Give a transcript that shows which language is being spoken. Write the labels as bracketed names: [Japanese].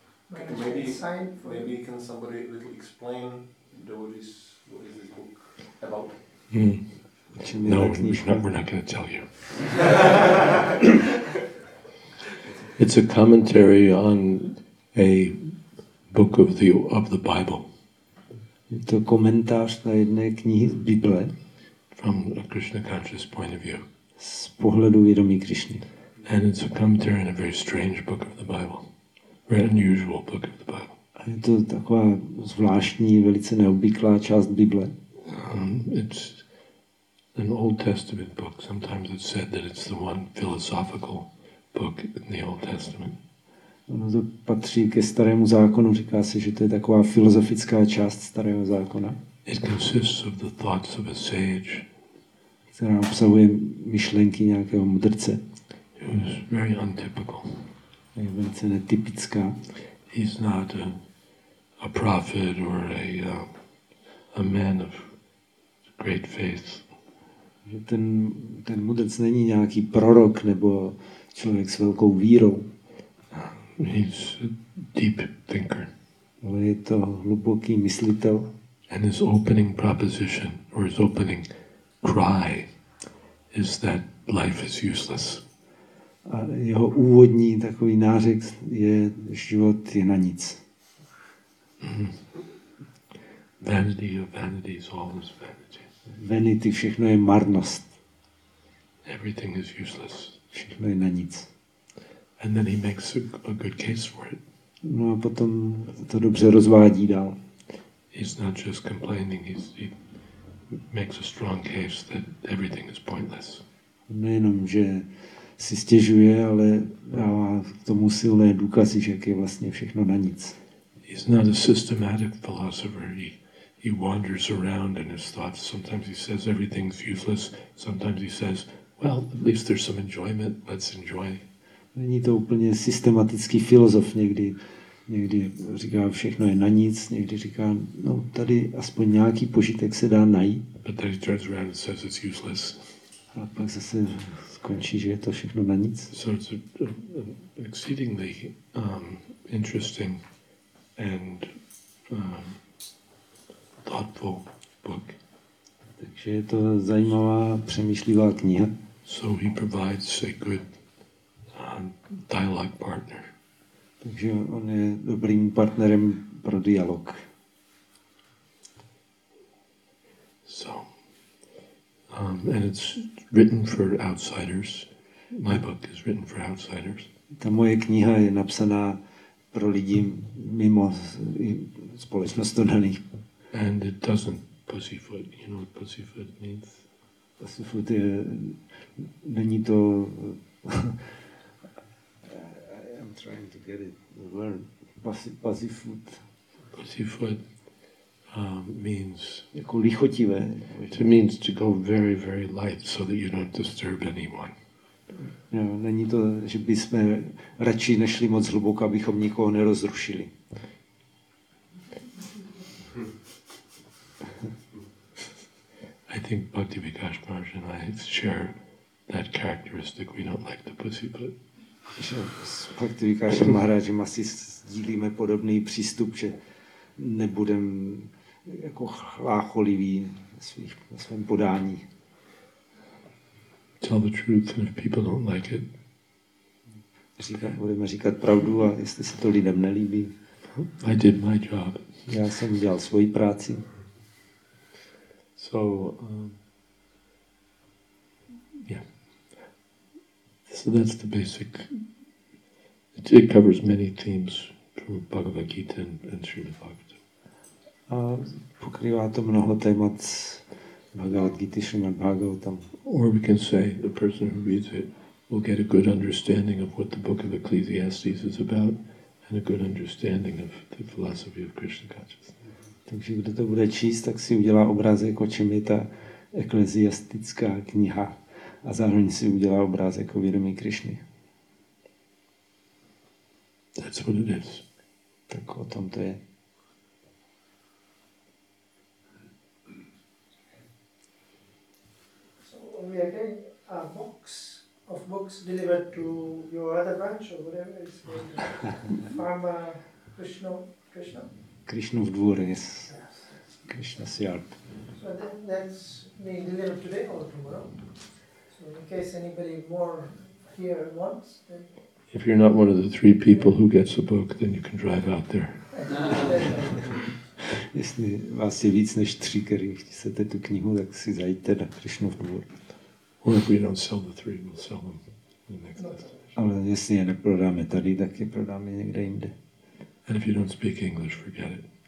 [English] Maybe can somebody little explain what is this book about? No, we're not going to tell you. It's a commentary on a book of the Bible. [Czech] Je to komentář na jedné knihy z Bible. [English] From a Krishna conscious point of view. [Czech] Z pohledu vědomí Krišny. [English] And it's a commentary on a very strange book of the Bible. Very unusual book of the Bible. [Czech] A je to taková zvláštní, velice neobvyklá část Bible. [English] It's an Old Testament book. Sometimes it's said that it's the one philosophical book in the Old Testament. [Czech] Ono to patří ke starému zákonu, říká se, že to je taková filozofická část starého zákona. [English] It consists of the thoughts of a sage. [Czech] Která obsahuje myšlenky nějakého mudrce. [English] Who's very untypical. [Czech] Je velice netypická. [English] He's not a prophet or a man of great faith. [Czech] Že ten mudrc není nějaký prorok nebo člověk s velkou vírou. [English] He's a deep thinker. [Czech] Ale je to hluboký myslitel. [English] And his opening proposition, or his opening cry, is that life is useless. [Czech] A jeho úvodní takový nářek je, život je na nic. [English] Vanity of vanities, all is vanity. [Czech] Vanity, všechno je marnost. [English] Everything is useless. [Czech] Všechno je na nic. [English] And then he makes a good case for it. [Czech] No a potom to dobře rozvádí dál. [English] He's not just complaining, he makes a strong case that everything is pointless. [Czech] Nejenom, že si stěžuje, ale dává k tomu silné důkazy, že je vlastně všechno na nic. [English] He's not a systematic philosopher. He wanders around in his thoughts. Sometimes he says everything's useless. Sometimes he says, well, at least there's some enjoyment. Let's enjoy. [Czech] Není to úplně systematický filozof někdy. Někdy říká, všechno je na nic, někdy říká, no tady aspoň nějaký požitek se dá najít. [English] But then he turns around and says it's useless. [Czech] A pak zase skončí, že je to všechno na nic. [English] So it's an exceedingly interesting and thoughtful book. [Czech] Takže je to zajímavá, přemýšlivá kniha. [English] So he provides a good dialogue partner. [Czech] Takže on je dobrým partnerem pro dialog. [English] So, and it's written for outsiders. My book is written for outsiders. [Czech] Ta moje kniha je napsaná pro lidi mimo společnost dodaný. [English] And it doesn't pussyfoot, you know what pussyfoot means? [Czech] Pussyfoot je, není to... [English] I'm trying to get it, the word. Pussyfoot. Pussyfoot means... [Czech] Jako lichotivé. [English] It means to go very, very light so that you don't disturb anyone. [Czech] No, není to, že bychom radši nešli moc hluboko, abychom nikoho nerozrušili. [English] I think Bhakti Vikash Maharaj and I share that characteristic. We don't like the pussyfoot. [Czech] S Bhakti Vikashem Maharajem asi sdílíme podobný přístup, že nebudem jako chlácholivý ve svém podání. [English] Tell the truth, and if people don't like it, [Czech] budeme říkat pravdu, a jestli se to lidem nelíbí. [English] I did my job. [Czech] Já jsem dělal svoji práci. [English] So, So that's the basic. It covers many themes from Bhagavad Gita and Srimad Bhagavatam. [Czech] A pokrývá to mnoho témat Bhagavad Gita, Srimad Bhagavatam. [English] Or we can say the person who reads it will get a good understanding of what the book of Ecclesiastes is about and a good understanding of the philosophy of Krishna consciousness. [Czech] Takže kdo to bude číst, tak si udělá obrázek, o čem je ta ekleziastická kniha, a zároveň si udělá obrázek o vědomí Krišny. [English] That's what it is. [Czech] Tak o tom to je. [English] We are getting a box of books delivered to your other branch or whatever it's called, from Krishna. Krishna's dvor, yes. Krishna's yard. So then that's being delivered today or tomorrow. So in case anybody more here wants, then. If you're not one of the three people who gets a book, then you can drive out there. [Czech] Jestli vás je víc než tři, který chcete tu knihu, tak si zajďte na Krišnův dvůr. [English] Or if we don't sell the three, we'll sell them in the next [Czech] Ale jestli je neprodáme tady, tak je prodáme někde jinde. [English] And if you don't speak English, forget it.